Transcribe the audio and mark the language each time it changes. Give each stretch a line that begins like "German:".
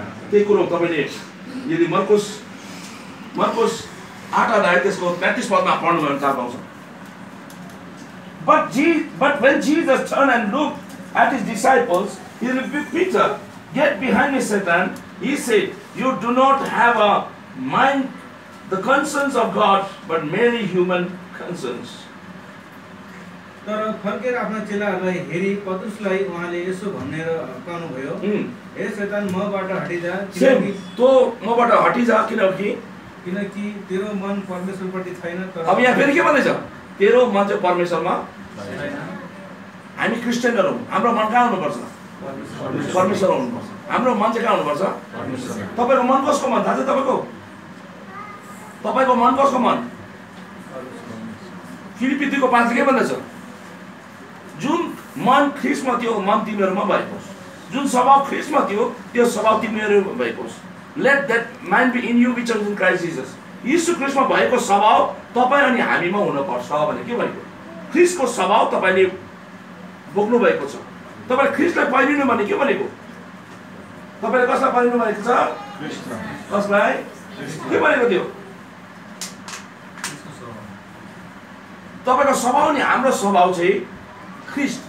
Nepali: त्यही कुरो तपाईँले यदि मर्कुस मर्कुस आठ अध्याय त्यसको 35 पदमा पढ्नुभयो भने थाहा पाउँछ।
English: But when Jesus turned and looked at his disciples, he rebuked Peter, "Get behind me, Satan," he said, "you do not have a mind the concerns of God, but merely human concerns."
Nepali: तर फर्केर आफ्ना चेलाहरूलाई हेरी पतरसलाई उहाँले यसो भनेर भन्नुभयो, हे शैतान मबाट हटिजा, किनकि तँ मबाट हटिजा किनकि तेरो मन परमेश्वरपट्टि छैन। अब यहाँ फेरि के भन्दैछ, तेरो मन चाहिँ परमेश्वरमा छैन। हामी क्रिस्चियनहरू हाम्रो मन कहाँ हुनुपर्छ, परमेश्वर हुनुपर्छ। हाम्रो मन चाहिँ कहाँ हुनुपर्छ, तपाईँको मन कसको मन थाहा छ, तपाईँको मन कसको मन, फिलिपीको पाँच के भन्दैछ, जुन मन ख्रिस्टमा थियो मन तिमीहरूमा भएको होस्, जुन स्वभाव ख्रिस्टमा थियो त्यो स्वभाव तिमीहरूमा भएको होस्।
English: Let that mind be in you which is in Christ Jesus.
Nepali: यीशु ख्रिस्टमा भएको स्वभाव तपाईँ अनि हामीमा हुनुपर्छ भने के भनेको, ख्रिस्टको स्वभाव तपाईँले बोक्नु भएको छ, तपाईँले ख्रिस्टलाई पहिरिनु भने के भनेको, तपाईँले कसलाई पहिरिनु भएको छ, कसलाई के भनेको थियो, तपाईँको स्वभाव नि हाम्रो स्वभाव चाहिँ ख्रिस्ट।